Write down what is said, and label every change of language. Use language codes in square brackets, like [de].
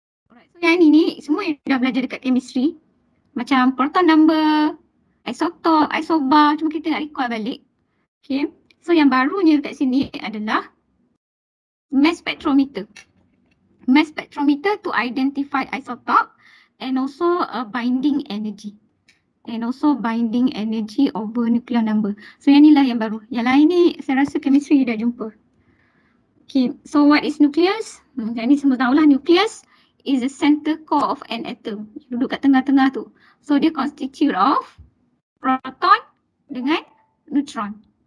[ms] Alright, so yang ini semua yang dah belajar dekat chemistry, macam proton number, isotop, isobar, cuma kita nak recall balik. Okay, so yang barunya dekat sini adalah mass spectrometer. [en] Mass spectrometer to identify isotop and also binding energy. And also binding energy over nuclear number. [ms] So yang inilah yang baru. Yang lain ni saya rasa chemistry dah jumpa. [en] Okay, so what is nucleus? [ms] Yang ni semua tahulah, [en] nucleus is the center core of an atom. [ms] Duduk kat tengah-tengah tu. So dia [en] constitute of [ms] proton dengan neutron.